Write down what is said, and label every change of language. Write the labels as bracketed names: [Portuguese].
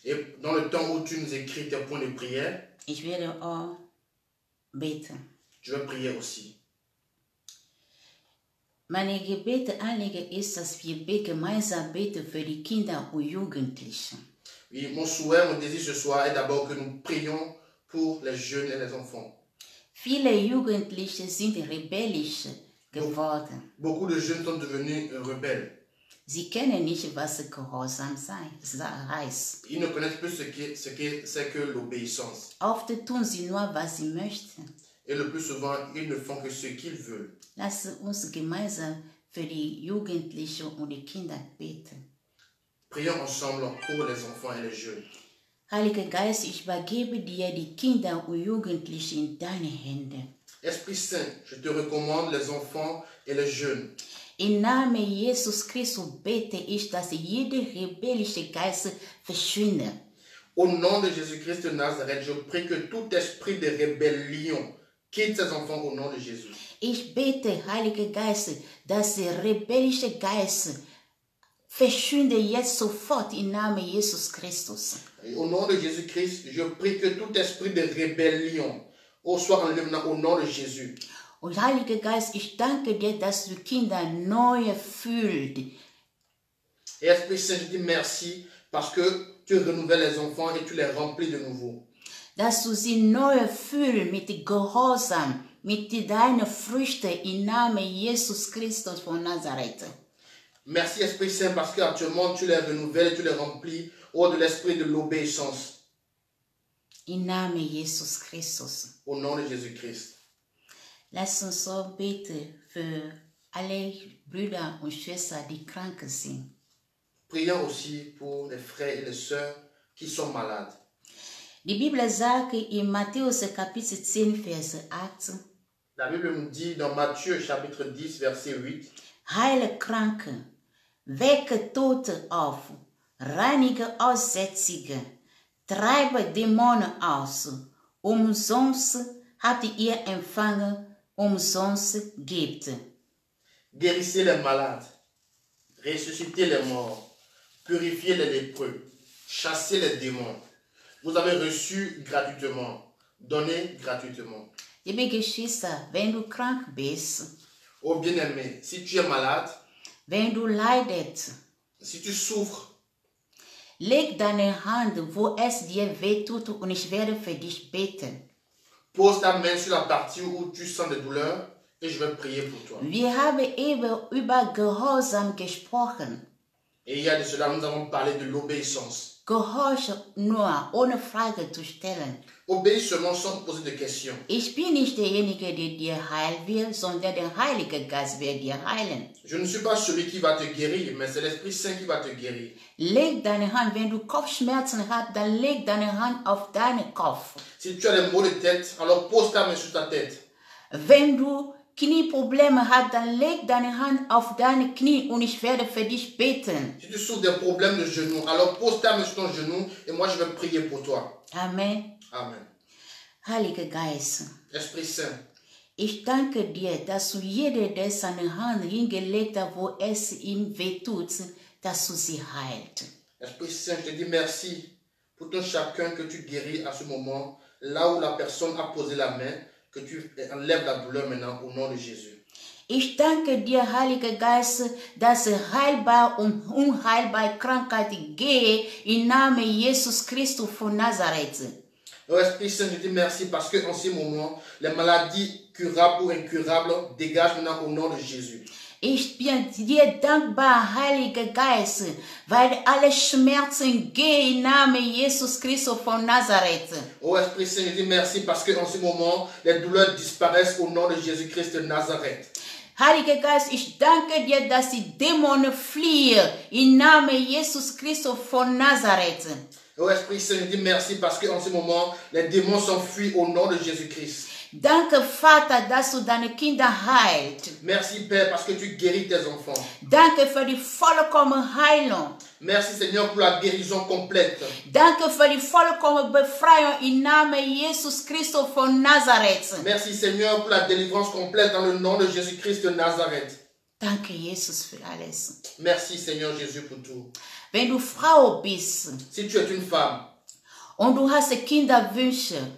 [French] et dans le temps où tu nous écris tes points de prière, [German] ich werde auch beten. [French] Je vais prier aussi. [German] Mein Gebetsanliegen ist, dass wir gemeinsam beten für die Kinder und Jugendlichen. [French] Oui, mon souhait, mon désir ce soir est d'abord que nous prions pour les jeunes et les enfants. [German] Viele Jugendliche sind rebellisch geworden. [French] Beaucoup de jeunes sont devenus rebelles. [German] Sie kennen nicht, was gehorsam sein, heißt. [French] Ils ne connaissent plus ce que l'obéissance. [German] Oft tun sie nur, was sie möchten. [French] Et le plus souvent, ils ne font que ce qu'ils veulent. [German] Lass uns gemeinsam für die Jugendlichen und die Kinder beten. [French] Prions ensemble pour les enfants et les jeunes. [German] Heiliger Geist, ich übergebe dir die Kinder und Jugendlichen in deine Hände. [French] Esprit Saint, je te recommande les enfants et les jeunes. [German] Im Namen Jesus Christus bete ich, dass jeder rebellische Geist verschwinde. [French] Au nom de Jésus Christ de Nazareth, je prie que tout esprit de rébellion quitte ses enfants au nom de Jésus. [German] Ich bete, Heiliger Geist, dass der rebellische Geist verschwinde jetzt sofort im Namen Jesus Christus. [French] Au nom de Jésus Christ, je prie que tout esprit de rébellion soit enlevé au nom de Jésus. [German] Und Heiliger Geist, ich danke dir, dass du Kinder neu fühlst. [French] Et Esprit Saint, je dis merci parce que tu renouvelles les enfants et tu les remplis de nouveau. [German] Dass du sie neu fühlst mit Gehorsam, mit deinen Früchten im Namen Jesus Christus von Nazareth. [French] Merci Esprit Saint, parce que actuellement tu les renouvelles, tu les remplis au de l'esprit de l'obéissance. [German] In name Jesus Christus. [French] Au nom de Jésus Christ. [German] Lass uns so beten für alle Brüder und Schwestern, die krank sind. [French] Prions aussi pour les frères et les sœurs qui sont malades. [German] Die Bibel sagt in Matthäus Kapitel 10 Vers 8. [French] La Bible nous dit dans Matthieu chapitre 10 verset 8. [German] Heil Kranken, wecke Tote auf, reinige Aussätzige, treibe Dämonen aus. Umsonst habt ihr empfangen, umsonst gebt. [French] Guérissez les malades, ressuscitez les morts, purifiez les lépreux, chassez les démons. Vous avez reçu gratuitement, donnez gratuitement. [German] Liebe Geschwister, wenn du krank bist, [French] oh bien-aimé, si tu es malade, [German] wenn du leidest, [French] si tu souffres, [German] leg deine Hand, wo es dir weh tut, und ich werde für dich beten. [French] Pose ta main sur la partie où tu sens des douleurs et je vais prier pour toi. [German] Wir haben eben über Gehorsam gesprochen. [French] Et il y a de cela, nous avons parlé de l'obéissance. [German] Gehorche nur, ohne Frage zu stellen. [French] Obéis seulement sans poser de questions. [German] Ich bin nicht derjenige, der dir heilen will, sondern der Heilige Geist wird dir heilen. [French] Je ne suis pas celui qui va te guérir, mais c'est l'Esprit Saint qui va te guérir. [German] Leg deine Hand, wenn du Kopfschmerzen hast, dann leg deine Hand auf deinen Kopf. [French] Si tu as des maux de tête, alors pose ta main sur ta tête. [German] Wenn du Knieprobleme hast, dann leg deine Hand auf deine Knie und ich werde für dich beten. [French] Si tu souffres des problèmes de genoux, alors pose ta main sur ton genou et moi je vais prier pour toi. Amen. Amen. [German] Heiliger Geist, [French] Esprit Saint, [German] ich danke dir, dass du jeder, der seine Hand hingelegt hat, wo es ihm wehtut, dass du sie heilt. [French] Esprit Saint, je te dis merci pour ton chacun que tu guéris à ce moment, là où la personne a posé la main, que tu enlèves la douleur maintenant au nom de Jésus. [German] Ich danke dir, Heiliger Geist, dass heilbar und unheilbar Krankheit gehe im Namen Jesus Christus von Nazareth. [French] Oh Esprit Saint, je te merci parce que en ce moment, les maladies curables ou incurables dégagent maintenant au nom de Jésus. [German] Ich bin dir dankbar, Heiliger Geist, weil alle Schmerzen gehen im Namen Jesus Christus von Nazareth. [French] Oh Esprit Saint, je te merci parce que en ce moment, les douleurs disparaissent au nom de Jésus Christ de Nazareth. [German] Heiliger Geist, ich danke dir, dass die Dämonen fliehen im Namen Jesus Christus von Nazareth. [French] Oh Esprit Saint, je dis merci parce qu'en ce moment, les démons s'enfuient au nom de Jésus-Christ. [German] Danke Vater, dass du deine Kinder heilt. [French] Merci Père, parce que tu guéris tes enfants. [German] Danke für die vollkommene Heilung. [French] Merci Seigneur pour la guérison complète. [German] Danke für die vollkommene Befreiung im Namen Jesus Christus von Nazareth. [French] Merci Seigneur pour la délivrance complète dans le nom de Jésus-Christ de Nazareth. [German] Danke Jesus für alles. [French] Merci Seigneur Jésus pour tout. [German] Wenn du Frau bist, [French] si tu es une femme, [German] und du hast Kinderwünsche,